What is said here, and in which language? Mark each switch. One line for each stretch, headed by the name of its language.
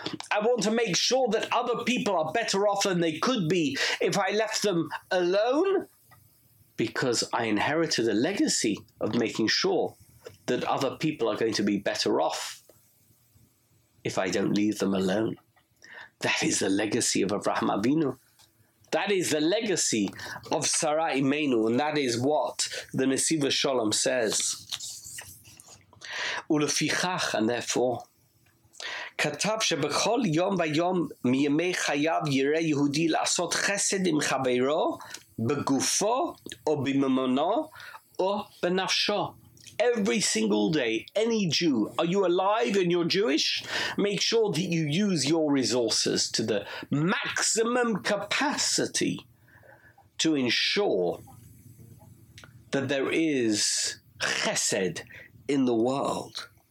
English: I want to make sure that other people are better off than they could be if I left them alone, because I inherited a legacy of making sure that other people are going to be better off if I don't leave them alone. That is the legacy of Avraham Avinu. That is the legacy of Sarah Imenu, and that is what the Nesiv HaShalom says.
Hebrew: Ulefichach,
English: and therefore,
Hebrew: כתב שבכל יום ויום מימי חייו יראה יהודי לעשות חסד עם חברו בגופו או בממונו או בנפשו.
English: Every single day, any Jew, are you alive and you're Jewish? Make sure that you use your resources to the maximum capacity to ensure that there is chesed in the world.